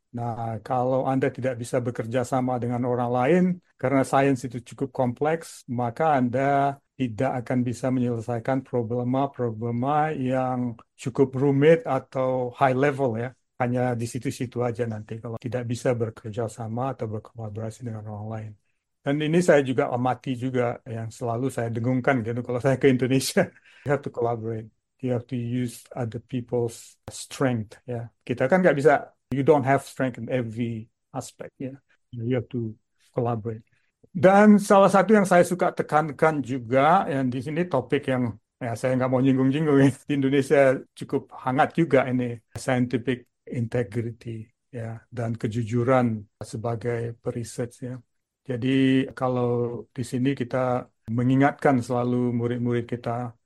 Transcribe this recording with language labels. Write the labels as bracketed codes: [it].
[id] Nah, kalau Anda tidak bisa bekerja sama dengan orang lain, karena sains itu cukup kompleks, maka Anda tidak akan bisa menyelesaikan problema-problema yang cukup rumit atau high level ya. Hanya di situ-situ aja nanti kalau tidak bisa bekerja sama atau berkolaborasi dengan orang lain. Dan ini saya juga amati juga yang selalu saya dengungkan gitu kalau saya ke Indonesia. [en] You have to collaborate. You have to use other people's strength. Ya. [id] Kita kan nggak bisa, [en] you don't have strength in every aspect. Ya. You have to collaborate. [id] Dan salah satu yang saya suka tekankan juga, yang di sini topik yang ya, saya nggak mau nyinggung-nyinggung. Di Indonesia cukup hangat juga ini, scientific integrity ya, dan kejujuran sebagai periset ya. Jadi kalau di sini kita mengingatkan selalu murid-murid kita